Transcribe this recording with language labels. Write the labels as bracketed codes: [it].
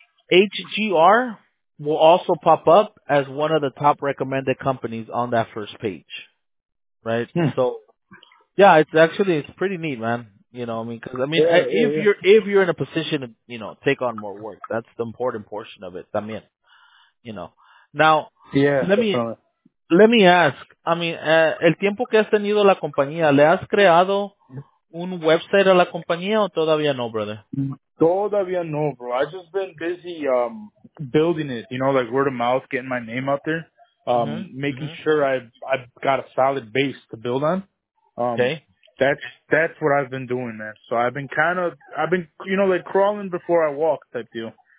[en] HGR will also pop up as one of the top recommended companies on that first page. Right? Hmm. So, yeah, it's pretty neat, man. You know, I mean, because, I mean, if you're in a position to, you know, take on more work, that's the important portion of it. I mean, you know. Now, let me ask. I mean, [es] el tiempo que has tenido la compañía, ¿le has creado un website a la compañía o todavía no, brother? Todavía no, bro. [en] I've just been busy building it, you know, like word of mouth, getting my name out there, making sure I've got a solid base to build on. Okay. That's what I've been doing, man. So I've been, you know, like crawling before I walk type deal.